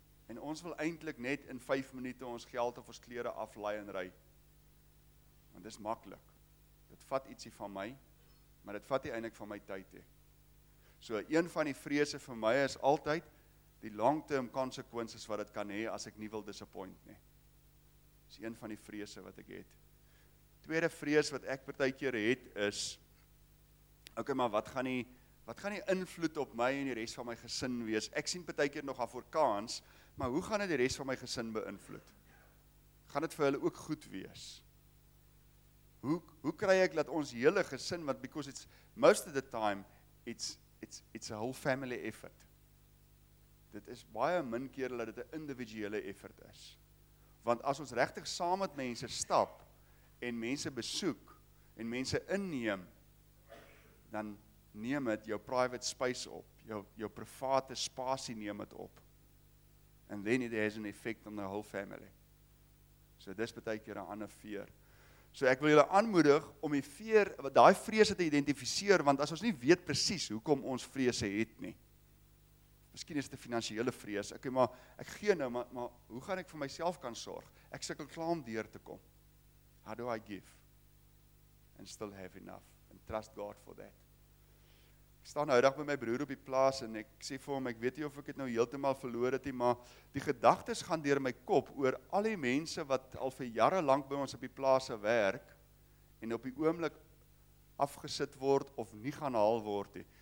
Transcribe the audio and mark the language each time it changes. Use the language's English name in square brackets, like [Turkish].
[Afrikaans] En ons wil eintlik net in 5 minute ons geld of ons klere aflaai en ry. Want dis maklik. Dit vat ietsie van my, maar dit vat nie eintlik van my tyd nie. So een van die vrese vir my is altyd die [English] long-term consequences [Afrikaans] wat dit kan hê as ek nie wil disappoint nie. Dis een van die vrese wat ek het. Tweede vrees wat ek partykeer het is, okay, maar wat gaan die invloed op my en die res van my gesin wees? Ek sien partykeer nog Afrikaans, maar hoe gaan dit die res van my gesin beïnvloed? Gaan dit vir hulle ook goed wees? hoe kry ek dat ons hele gesin, want [English] because it's most of the time it's a whole family effort. [Afrikaans] Dit is baie min keer dat dit 'n individuele effort is. Want as ons regtig saam met mense stap en mense besoek en mense inneem, dan neem dit jou private space op, jou private spasie neem dit op. [English] And then it has an effect on the whole family. [Afrikaans] So dis baie keer 'n ander veer. So ek wil julle aanmoedig om die veer, daai vrese te identifiseer, want as ons nie weet presies hoekom ons vrese het nie. Miskien is dit 'n finansiële vrees. Okay, maar ek gee nou, maar hoe gaan ek vir myself kan sorg? Ek sukkel klaar om deur te kom. [English] How do I give and still have enough and trust God for that? [Afrikaans] Ek staan nou hydag met my broer op die plaas en ek sê vir hom, ek weet nie of ek dit nou heeltemal verloor het nie, maar die gedagtes gaan deur my kop oor al die mense wat al vir jare lank by ons op die plaas se werk en op die oomblik afgesit word of nie gaan haal word nie.